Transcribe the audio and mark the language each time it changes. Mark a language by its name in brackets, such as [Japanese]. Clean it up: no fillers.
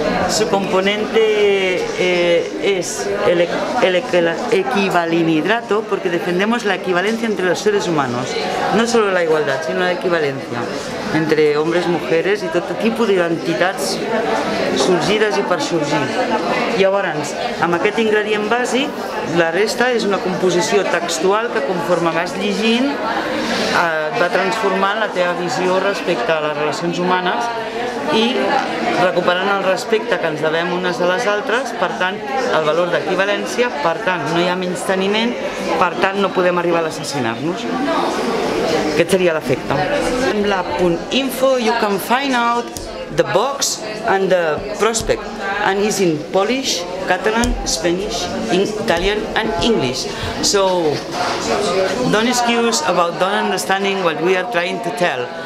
[Spanish] Su componente es el equivalinhidrato, porque defendemos la equivalencia entre los seres humanos, no solo la igualdad, sino la equivalencia entre hombres, mujeres y todo tipo de identidades surgidas y per surgir. [Catalan] Llavors, amb aquest ingredient bàsic, la resta és una composició textual que, conforme vas llegint, va transformant la teva visió respecte a les relacions humanes i recuperant el respecte que ens devem unes a les altres, per tant, el valor d'equivalència, per tant, no hi ha menysteniment, per tant, no podem arribar a assassinar-nos. Aquest seria l'efecte. [English] En lab.info you can find out the box and the prospect, and it's in Polish, Catalan, Spanish, Italian and English. So don't excuse about not understanding what we are trying to tell.